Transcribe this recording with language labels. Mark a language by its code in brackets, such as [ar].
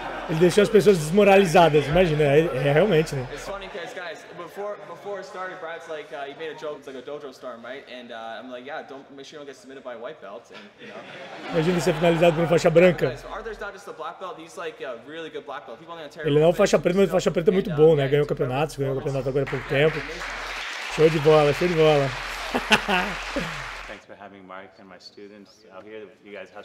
[pt] Ele deixou as pessoas desmoralizadas, imagina, é realmente, né? [en] It's funny because guys, before it started, Brad's like he made a joke, it's like a dojo storm, right? And I'm like, yeah, don't make sure you don't get submitted by a white belt, and you know. [pt] Imagina ser finalizado por uma faixa branca. [en] Arthur's not just a black belt, he's like a really good black belt. People on Ontario. [pt] Ele não é faixa preta, mas faixa preta é muito bom, né? Ganhou campeonatos, ganhou o campeonato agora há pouco tempo. Show de bola, show de bola. [en] Having Mike and my students out here, you guys have